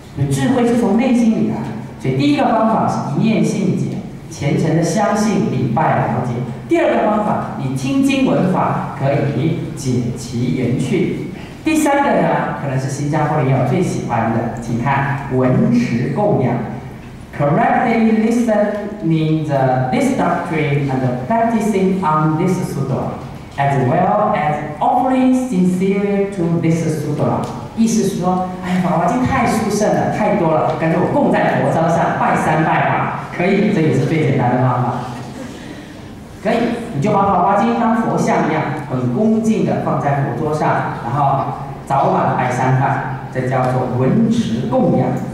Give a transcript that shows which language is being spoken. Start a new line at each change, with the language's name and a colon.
Chinese: 智慧是从内心里来，所以第一个方法是一念信解，虔诚的相信、礼拜、了解。第二个方法，你听经闻法可以解其缘趣。第三个呢，可能是新加坡人最喜欢的，请看文持供养。
English: Correctly listening to this doctrine and practicing on this sutra, as well as offering sincerely to this sutra.
Chinese: 意思是说，哎，法华经太殊胜了，太多了，干脆我供在佛招上，拜三拜法，可以，这也是最简单的方法。可以，你就把法华经当佛像一样，很恭敬的放在佛桌上，然后早晚拜三拜，这叫做文持供养。